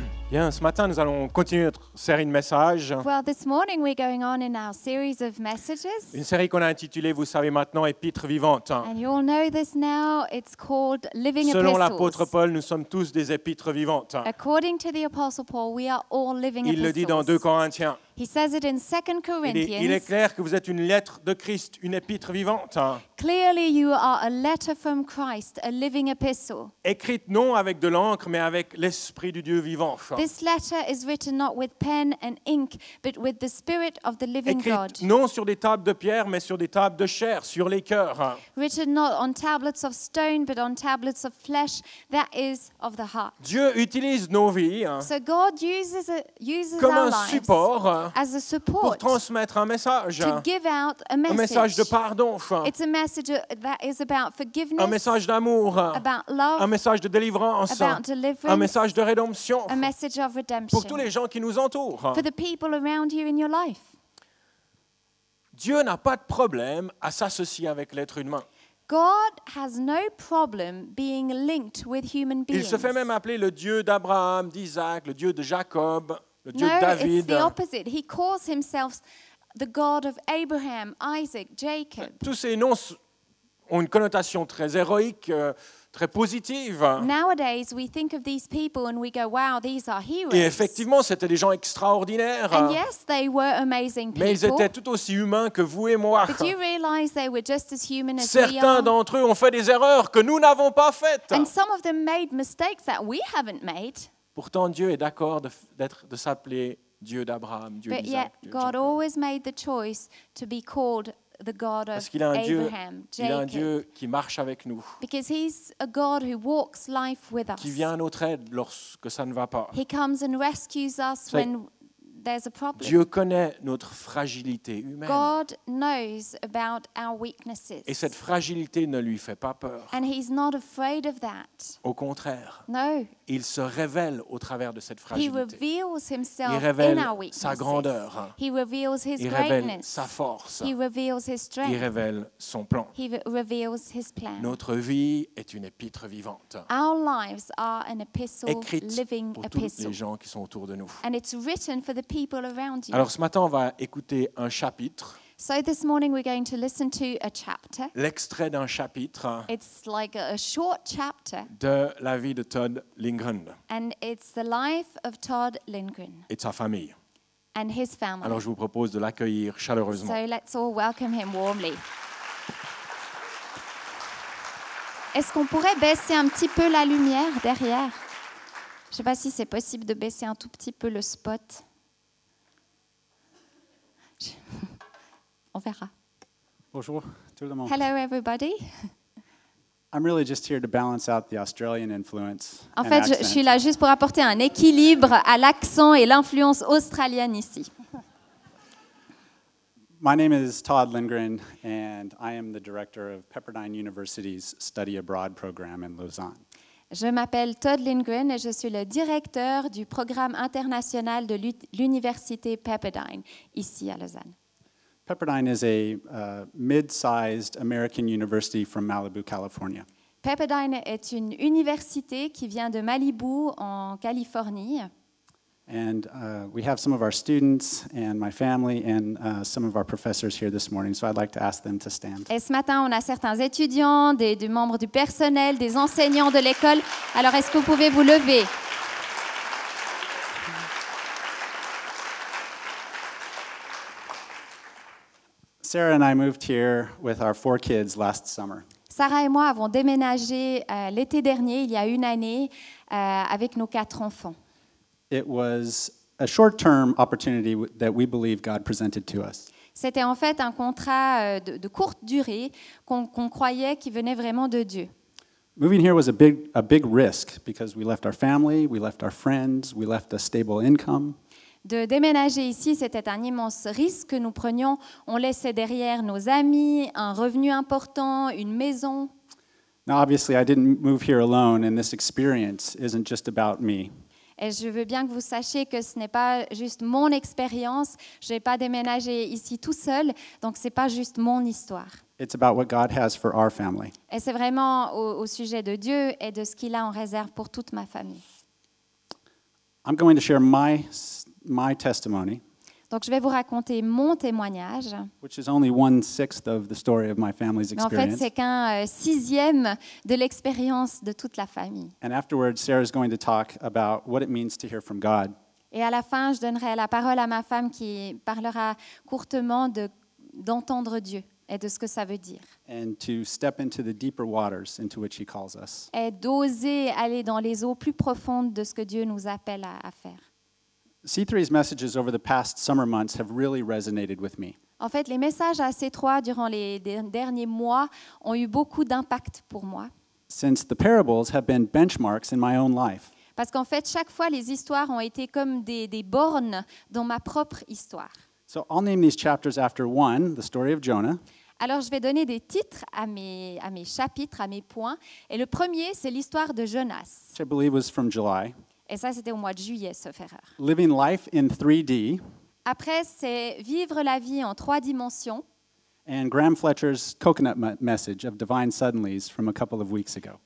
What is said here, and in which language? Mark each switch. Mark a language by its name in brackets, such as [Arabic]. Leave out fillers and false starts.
[French] Bien, ce matin, nous allons continuer notre série de messages. [English] Well, this morning we're going on in our series of messages. [French] Une série qu'on a intitulée, vous savez maintenant, Épître vivante. [English] And you all know this now, it's called Living Epistles. [French] Selon l'apôtre Paul, nous sommes tous des épîtres vivantes. [English] According to the apostle Paul, we are all living [French] epistles. Il le dit dans 2 Corinthiens. [English] He says it in 2 Corinthians. [French] Il est clair que vous êtes une lettre de Christ, une épître vivante. [English] Clearly you are a letter from Christ, a living epistle. [French] Écrite non avec de l'encre, mais avec l'esprit du Dieu vivant. [English] This letter is written not with pen and ink, but with the spirit of the living [French] Écrite [English] God. [French] Écrite non sur des tables de pierre, mais sur des tables de chair, sur les cœurs. [English] Written not on tablets of stone, but on tablets of flesh, that is of the heart. [French] Dieu utilise nos vies. [English] So God uses [French] comme [English] our [French] un support. [English] Lives. As a support [French] pour transmettre un message, [English] to give out a message, [French] un message de pardon, [English] it's a message that is about forgiveness, [French] un message d'amour, [English] about love, [French] un message de délivrance, [English] about deliverance, [French] un message de rédemption, [English] a message of redemption, [French] pour tous les gens qui nous entourent, [English] for the people around you in your life. [French] Dieu n'a pas de problème à s'associer avec l'être humain. [English] God has no problem being linked with human beings. [French] Il se fait même appeler le Dieu d'Abraham, d'Isaac, le Dieu de Jacob. Le Dieu [English] no, [French] de David. [English] It's the opposite. He calls himself the God of Abraham, Isaac, Jacob. [French] Tous ces noms ont une connotation très héroïque, très positive. [English] Nowadays, we think of these people and we go, "Wow, these are heroes." [French] Et effectivement, c'était des gens extraordinaires. [English] And yes, they were amazing people. [French] Mais ils étaient tout aussi humains que vous et moi. [English] But do you realize they were just as human as [French] Certains [English] we are? [French] D'entre eux ont fait des erreurs que nous n'avons pas faites. [English] And some of them made mistakes that we haven't made. [French] Pourtant, Dieu est d'accord de s'appeler Dieu d'Abraham, Dieu d'Isaac. [English] But yet, God always made the choice to be called the God of Abraham, Jacob. [French] Il a un Dieu qui marche avec nous. [English] Because he's a God who walks life with us. [French] Qui vient à notre aide lorsque ça ne va pas. [English] He comes and rescues us when there's a problem. [French] Dieu connaît notre fragilité humaine. [English] God knows about our weaknesses. [French] Et cette fragilité ne lui fait pas peur. [English] And he's not afraid of that. [French] Au contraire. [English] No. [French] Il se révèle au travers de cette fragilité. [English] He reveals himself [French] Il révèle [English] in our weaknesses. [French] Sa grandeur. [English] He reveals his [French] Il révèle [English] greatness. [French] Sa force. [English] He reveals his strength. [French] Il révèle son plan. [English] He reveals his plan. [French] Notre vie est une épître vivante. [English] Our lives are an epistle, [French] écrite [English] living [French] pour [English] epistle. [French] Tous les gens qui sont autour de nous. [English] And it's written for the people around you. [French] Alors ce matin, on va écouter un chapitre. [English] So this morning we're going to listen to a chapter. [French] L'extrait d'un chapitre. [English] It's like a short chapter. [French] De la vie de Todd Lindgren. [English] And it's the life of Todd Lindgren. [French] Et sa famille. [English] And his family. [French] Alors je vous propose de l'accueillir chaleureusement. [English] So let's all welcome him warmly. [French] Est-ce qu'on pourrait baisser un petit peu la lumière derrière? Je sais pas si c'est possible de baisser un tout petit peu le spot. On verra. Bonjour tout le monde. [English] Hello everybody. I'm really just here to balance out the Australian influence. [French] En fait, [English] and [French] je suis là juste pour apporter un équilibre à l'accent et l'influence australienne ici. [English] My name is Todd Lindgren and I am the director of Pepperdine University's study abroad program in Lausanne. [French] Je m'appelle Todd Lindgren et je suis le directeur du programme international de l'université Pepperdine ici à Lausanne. [English] Pepperdine is a mid-sized American university from Malibu, California. [French] Pepperdine est une université qui vient de Malibu en Californie. [English] And we have some of our students and my family and some of our professors here this morning, so I'd like to ask them to stand. [French] Et ce matin, on a certains étudiants, des membres du personnel, des enseignants de l'école. Alors, est-ce que vous pouvez vous lever? [English] Sarah and I moved here with our four kids last summer. [French] Sarah et moi avons déménagé l'été dernier, il y a une année, avec nos quatre enfants. [English] It was a short-term opportunity that we believe God presented to us. [French] C'était en fait un contrat de courte durée qu'on croyait qui venait vraiment de Dieu. [English] Moving here was a big risk because we left our family, we left our friends, we left a stable income. [French] De déménager ici, c'était un immense risque que nous prenions. On laissait derrière nos amis, un revenu important, une maison. [English] Now obviously I didn't move here alone and this experience isn't just about me. [French] Et je veux bien que vous sachiez que ce n'est pas juste mon expérience. Je n'ai pas déménagé ici tout seul, donc ce n'est pas juste mon histoire. [English] It's about what God has for our family. [French] Et c'est vraiment au sujet de Dieu et de ce qu'il a en réserve pour toute ma famille. [English] I'm going to share my testimony. [French] Donc je vais vous raconter mon témoignage. [English] Which is only 1/6 of the story of my family's experience. [French] Mais en fait, c'est qu'un sixième de l'expérience de toute la famille. [English] And afterwards, Sarah is going to talk about what it means to hear from God. [French] Et à la fin, je donnerai la parole à ma femme qui parlera courtement d'entendre Dieu et de ce que ça veut dire. [English] And to step into the deeper waters into which he calls us. [French] Et d'oser aller dans les eaux plus profondes de ce que Dieu nous appelle à faire. [English] C3's messages over the past summer months have really resonated with me. [French] En fait, les messages à C3 durant les derniers mois ont eu beaucoup d'impact pour moi. [English] Since the parables have been benchmarks in my own life. [French] Parce qu'en fait, chaque fois, les histoires ont été comme des bornes dans ma propre histoire. [English] So I'll name these chapters after one, the story of Jonah. [French] Alors, je vais donner des titres à mes chapitres, à mes points. Et le premier, c'est l'histoire de Jonas. [English] Which I believe was from July. [French] Et ça, c'était au mois de juillet, sauf erreur. [English] Living life in 3D. [French] Après, c'est vivre la vie en trois dimensions. [English] And Graham Fletcher's coconut message of divine suddenlies from a couple of weeks ago.